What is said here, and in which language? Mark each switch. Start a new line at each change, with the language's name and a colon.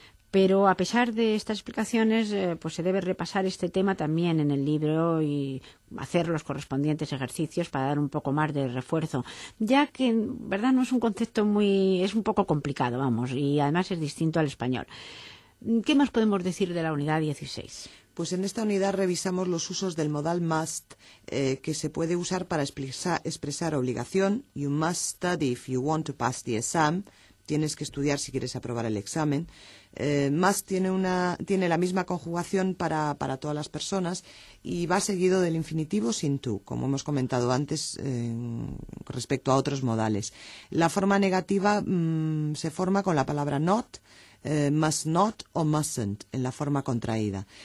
Spanish: Pero a pesar de estas explicaciones, pues se debe repasar este tema también en el libro y hacer los correspondientes ejercicios para dar un poco más de refuerzo, ya que, ¿verdad?, no es un concepto muy... es un poco complicado, vamos, y además es distinto al español. ¿Qué más podemos decir de la unidad 16? Pues en esta unidad revisamos los usos del modal must, que se puede usar para expresar obligación.
English: You must study if you want to pass the exam.
Spanish: Tienes que estudiar si quieres aprobar el examen. Must tiene la misma conjugación para todas las personas y va seguido del infinitivo sin to, como hemos comentado antes respecto a otros modales. La forma negativa se forma con la palabra not, must not o mustn't en la forma contraída.